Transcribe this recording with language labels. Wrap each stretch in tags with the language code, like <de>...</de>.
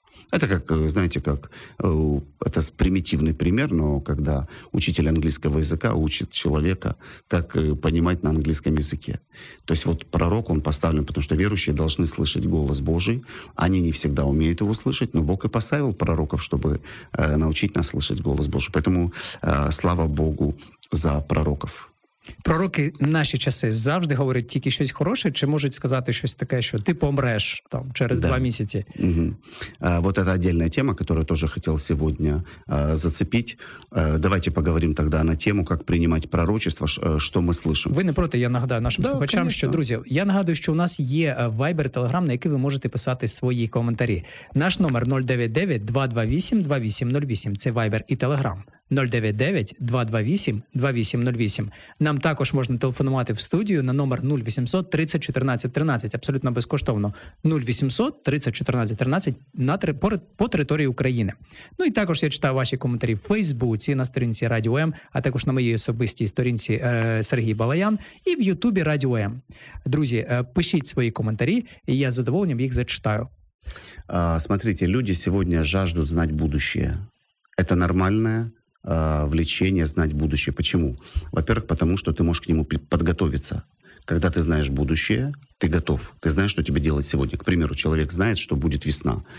<ru>Это как, знаете, как это примитивный пример, но когда учитель английского языка учит человека, как понимать на английском языке. То есть вот пророк, он поставлен, потому что верующие должны слышать голос Божий. Они не всегда умеют его слышать, но Бог и поставил пророков, чтобы научить нас слышать голос Божий. Поэтому слава Богу за пророков.</ru> <uk>Пророки в наші часи завжди говорять тільки щось хороше, чи можуть сказати щось таке, що ти помреш там через два місяці? Угу.</uk> <ru>Вот это отдельная тема, которую тоже хотел сегодня зацепить. Давайте поговорим тогда на тему, как принимать пророчество, что мы слышим.</ru> <uk>Ви не проти, я нагадаю нашим слухачам, конечно. Що, друзі, я нагадую, що у нас є Viber, Telegram, на який ви можете писати свої коментарі. Наш номер 099-228-2808, це Viber і Telegram. 099-228-2808. Нам також можна телефонувати в студію на номер 0800-30-14-13, абсолютно безкоштовно. 0800-30-14-13 по території України. Ну і також я читаю ваші коментарі в Фейсбуці, на сторінці Радіо М, а також на моїй особистій сторінці Сергій Балаян і в Ютубі Радіо М. Друзі, пишіть свої коментарі, і я з задоволенням їх зачитаю.</uk> <ru>Смотрите, люди сегодня жаждут знать будущее. Это нормальное влечение знать будущее. Почему? Во-первых, потому что ты можешь к нему подготовиться. Когда ты знаешь будущее, ты готов. Ты знаешь, что тебе делать сегодня. К примеру, человек знает, что будет весна.</ru>